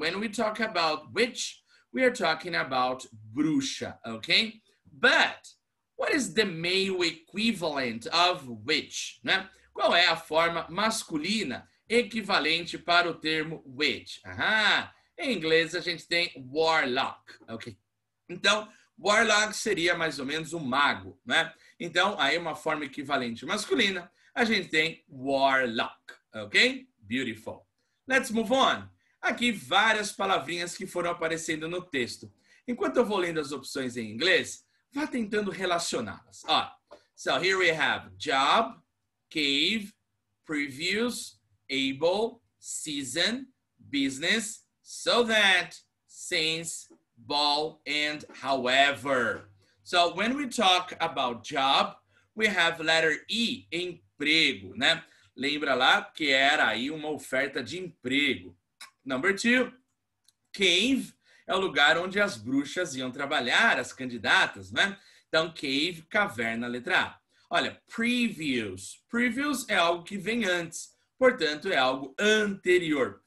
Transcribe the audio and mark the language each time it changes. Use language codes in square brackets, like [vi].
[en] When we talk about witch, we are talking about bruxa, okay? But what is the male equivalent of witch, né? [pt] Qual é a forma masculina equivalente para o termo witch? Aham, em inglês a gente tem warlock, ok? Então, warlock seria mais ou menos um mago, né? Então, aí uma forma equivalente masculina, a gente tem warlock, ok? [en] Beautiful. Let's move on. [pt] Aqui várias palavrinhas que foram aparecendo no texto. Enquanto eu vou lendo as opções em inglês, vá tentando relacioná-las. Ó, [en] so here we have job, cave, previous, able, season, business, so that, since, ball, and however. So when we talk about job, we have letter E, emprego, né? [pt] Lembra lá que era aí uma oferta de emprego. [en] Number two, [pt] cave é o lugar onde as bruxas iam trabalhar, as candidatas, né? Então, cave, caverna, letra A. [en] Olha, previous. [pt] Previous é algo que vem antes. Portanto, é algo anterior.